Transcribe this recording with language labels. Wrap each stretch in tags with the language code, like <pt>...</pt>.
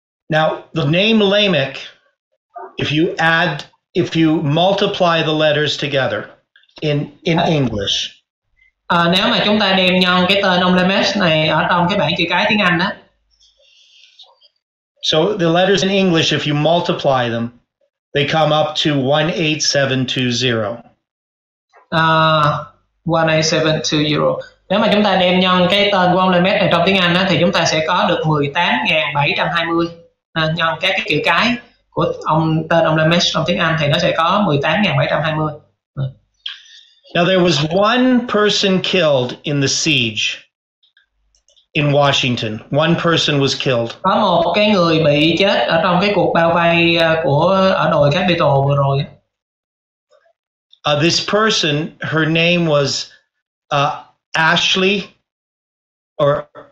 <en>Now, the name Lamech, if you multiply the letters together in English.</en> <vi>Nếu mà chúng ta đem nhân cái tên ông Lamech này ở trong cái bảng chữ cái tiếng Anh đó.</vi> <en>So the letters in English, if you multiply them, they come up to 18720. 18720.</en> <vi>Nếu mà chúng ta đem nhân cái tên của ông Lamech này trong tiếng Anh đó, thì chúng ta sẽ có được 18720. Nhân các cái chữ cái của ông tên ông Lamech trong tiếng Anh thì nó sẽ có 18720.</vi> <en>Now there was one person killed in the siege in Washington. One person was killed.</en> <vi>Có một cái người bị chết ở trong cái cuộc bao vây của ở đồi Capitol vừa rồi.</vi> <en>This person, her name was Ashley, or</en>